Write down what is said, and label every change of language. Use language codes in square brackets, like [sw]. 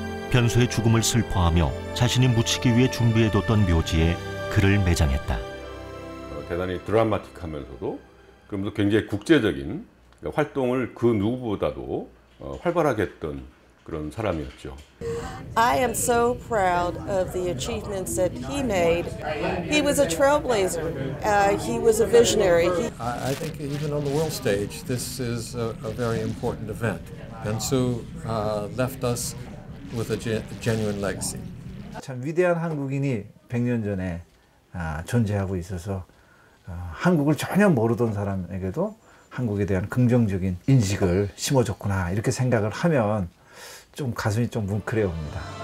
[ko] 변수의 죽음을 슬퍼하며 자신이 묻히기 위해 준비해뒀던 묘지에 글을 매장했다. 대단히 드라마틱하면서도 그러면서 굉장히 국제적인 활동을 그 누구보다도 활발하게 했던 그런 사람이었죠. [en] I am so proud of the achievements that he made. He was a trailblazer. He was a visionary. I think even on the world stage, this is a very important event. 변수 left us with a genuine legacy. [ko] 참 위대한 한국인이 100년 전에 존재하고 있어서 한국을 전혀 모르던 사람에게도 한국에 대한 긍정적인 인식을 심어줬구나 이렇게 생각을 하면 좀 가슴이 좀 뭉클해옵니다.